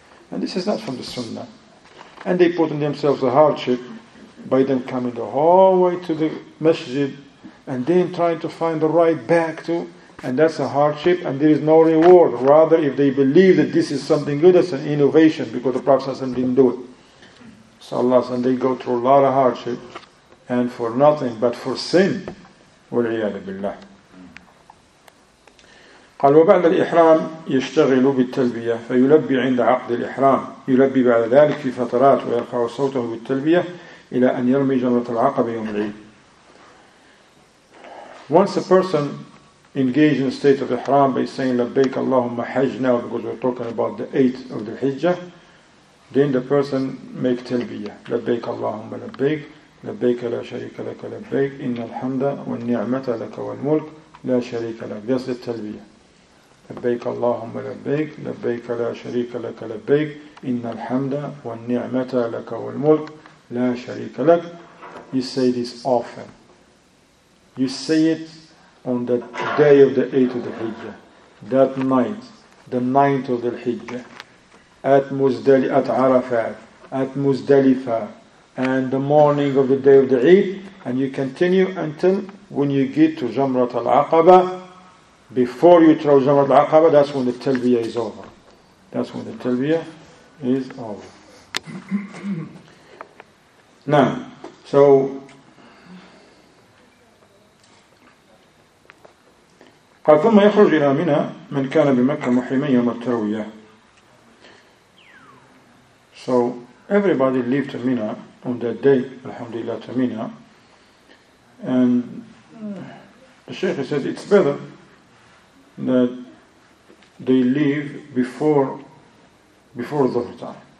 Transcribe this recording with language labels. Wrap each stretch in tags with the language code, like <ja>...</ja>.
<en>And this is not from the Sunnah. And they put on themselves a hardship by them coming the whole way to the Masjid and then trying to find the right back to. And that's a hardship and there is no reward. Rather, if they believe that this is something good, that's an innovation because the Prophet didn't do it. So Allah said, they go through a lot of hardship and for nothing but for sin.</en> <ar>وَالْعِيَادَ بِاللَّهِ قال وبعد الإحرام يشتغل بالتلبية فيلبي عند عقد الإحرام يلبي بعد ذلك في فترات ويرفع صوته بالتلبية إلى أن يرمي جمرة العقبة يوم العيد.</ar> <en>Once a person engaged in a state of Ihram by saying</en> <ar>لبيك اللهم حج,</ar> <en>now because we're talking about the 8th of the Hijjah, then the person make</en> <ar>تلبية لبيك اللهم لبيك لبيك لا شريك لك</ar> <en>لبيك إن الحمد والنعمة لك والملك لا شريك لك. That's the تلبية.</en> <ar>لبيك اللهم لبيك لبيك لا شريك لك لبيك إن الحمد والنعمة لك والملك لا شريك لك.</ar> <en>you say this often. You say it on the day of the 8th of the Hijjah. That night, the 9th of the Hijjah, at Arafat, at Muzdalifah, and the morning of the day of the Eid, and you continue until when you get to Jamrat al-Aqaba. Before you throw Jamrat al-Aqaba, that's when the Talbiyah is over. That's when the Talbiyah is over. Now, so</en> <ar>قال ثم يخرج إلى منى من كان بمكة محرمين يوم التروية.</ar> <en>So everybody leave to Mina on that day, alhamdulillah, to Mina. And the Shaykh says it's better that they leave before Dhuhr time.</en>